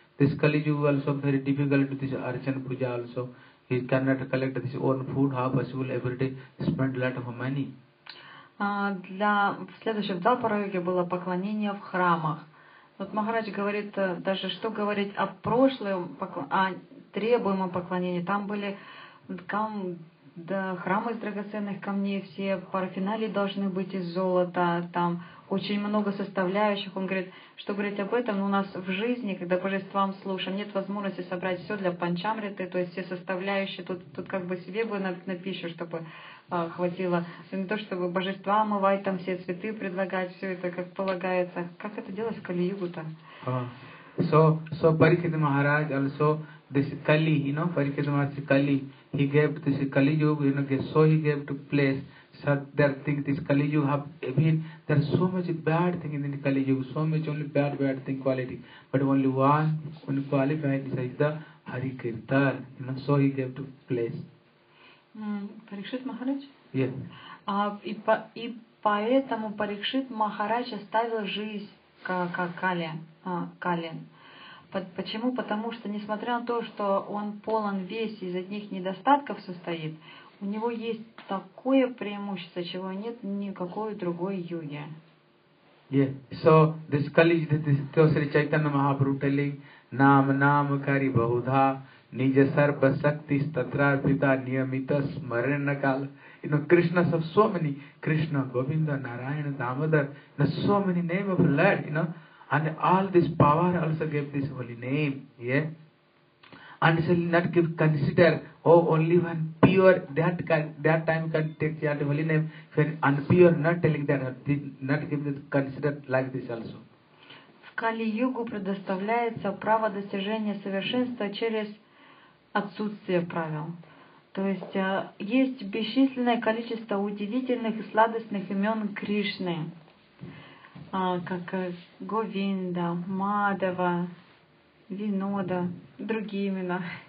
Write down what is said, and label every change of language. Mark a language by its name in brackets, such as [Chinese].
[English] This Kali Yuga also very difficult to this Archana Puja also. He cannot collect his own food, how possible every day, spend a lot of money. [Russian] Для следующего Двапара Юги было поклонение в храмах. Вот Махарадж говорит, даже что говорить о прошлом, о требуемом поклонении. Там были храмы из драгоценных камней, все парафиналии должны быть из золота, там очень много составляющих. Он говорит, что говорить об этом, но у нас в жизни, когда божествам слушаем, нет возможности собрать все для панчамриты, то есть все составляющие, тут как бы себе бы на пищу, чтобы хватило. Не то, чтобы божества омывать, там все цветы предлагать, все это как полагается. Как это делать в Кали-югу-то? [English] So Парикхита Махарадж also this Kali, you know, Парикхита Махарадж Kali, he gave this Kali Yuga, you know, so he gave to place. So there think this Kali Yuga have even there are so much bad thing in the Kali Yuga, so much only bad thing quality. But only one qualified is the Hari Kirtan, you know, so he gave to place. [Russian] Парикшит Махарадж? [English] Yeah. [Russian] И поэтому Парикшит Махарадж оставил жизнь как Кали. Калин. Почему? Потому что, несмотря на то, что он полон весь из одних недостатков состоит, у него есть такое преимущество, чего нет никакой другой йоги. [English] Yeah. So this Kali, this Sri Chaitanya Mahaprabhu telling [Sanskrit] Nam Nam Kari Bahudha Nija Sarva Sakti Statra Vita Niyamita Smarana Kala. [English] You know, Krishna's of so many, Krishna, Govinda, Narayana, Damodar, so many names of Lord, you know. And all this power also gave this holy name, yeah. And shall not give consider, oh, only one pure that time can take that holy name. And pure not telling that, not give this consider like this also. [Russian] В Кали-югу предоставляется право достижения совершенства через отсутствие правил. То есть есть бесчисленное количество удивительных и сладостных имен Кришны. Как Говинда, Мадава, Винода, другие имена.